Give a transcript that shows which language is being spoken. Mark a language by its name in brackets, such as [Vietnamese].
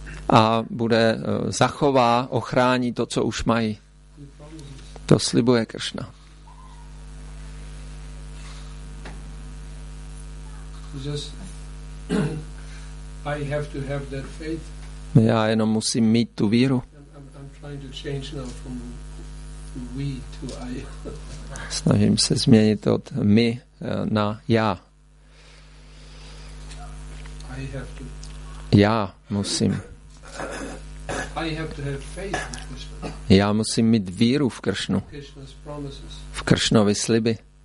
[Czech] A bude zachová, ochrání to, co už mají. To slibuje Kršna. [English] I have to have that faith. [Czech] Já jenom musím mít tu víru. [English] I'm trying to change now from we to I. [Czech] Snažím se změnit od my na já. [English] I have to. [Czech] Já musím. [English] I have to have faith in Krishna. [Czech] Já musím mít víru v Kršnu. [English] Krishna's promises. [Czech] V Kršnovy sliby.